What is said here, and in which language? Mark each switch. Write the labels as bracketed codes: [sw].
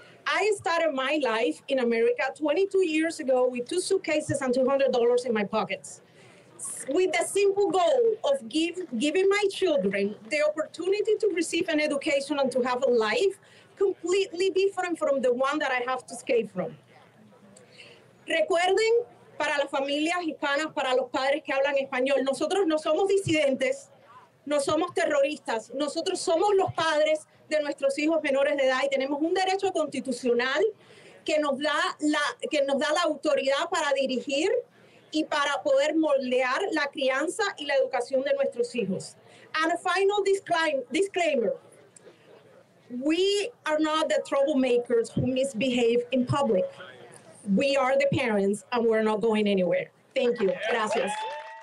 [en] I started my life in America 22 years ago with two suitcases and $200 in my pockets, with the simple goal of giving my children the opportunity to receive an education and to have a life completely different from the one that I have to escape from. [es] Recuerden, para las familias hispanas, para los padres que hablan español, nosotros no somos disidentes, no somos terroristas, nosotros somos los padres de nuestros hijos menores de edad y tenemos un derecho constitucional que nos da la autoridad para dirigir y para poder moldear la crianza y la educación de nuestros hijos. [en] And a final disclaimer, we are not the troublemakers who misbehave in public. We are the parents, and we're not going anywhere. Thank you. [es] Gracias.